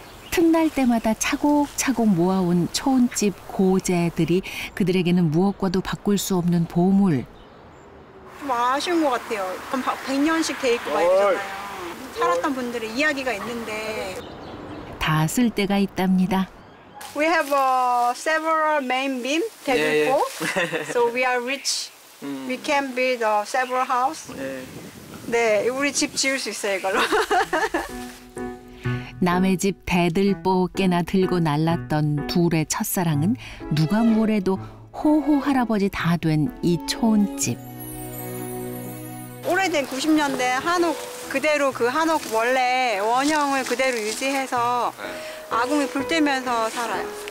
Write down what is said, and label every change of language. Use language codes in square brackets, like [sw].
[ko] 특날 때마다 차곡차곡 모아온 초원집 고재들이 그들에게는 무엇과도 바꿀 수 없는 보물. 좀 아쉬운 것 같아요. 100년씩 돼 있고 말이잖아요. 살았던 분들의 이야기가 있는데. 다 쓸 데가 있답니다. [en] We have several main beam 대들보. Yeah, yeah. So we are rich. We can build several house. Yeah. [ko] 네, 우리 집 지을 수 있어요, 이걸로. 남의 집 대들보 깨나 들고 날랐던 둘의 첫사랑은 누가 뭐래도 호호 할아버지 다 된 이 초원집. 오래된 90년대 한옥 그대로 그 한옥 원래 원형을 그대로 유지해서 아궁이 불 때면서 살아요.